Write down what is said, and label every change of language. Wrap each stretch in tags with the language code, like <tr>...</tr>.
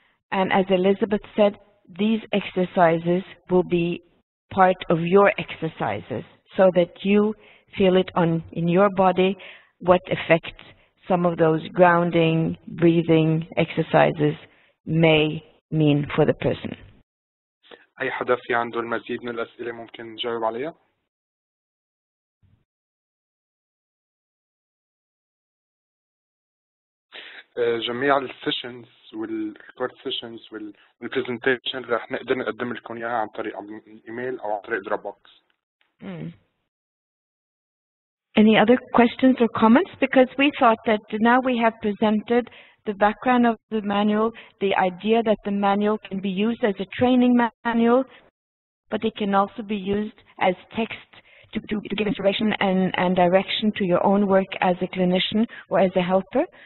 <en>And as Elizabeth said, these exercises will be part of your exercises so that you feel it on in your body what effect some of those grounding, breathing exercises may mean for the person.</en> <ar>أي حدا في عنده المزيد من الأسئلة ممكن نجاوب عليها؟ جميع السيشنز والريكورد سيشنز والبرزنتيشن راح نقدر نقدم لكم اياها عن طريق الايميل او عن طريق دروب بوكس.</ar> <en>Any other questions or comments? Because we thought that now we have presented the background of the manual, the idea that the manual can be used as a training manual, but it can also be used as text to give inspiration and direction to your own work as a clinician or as a helper.</en>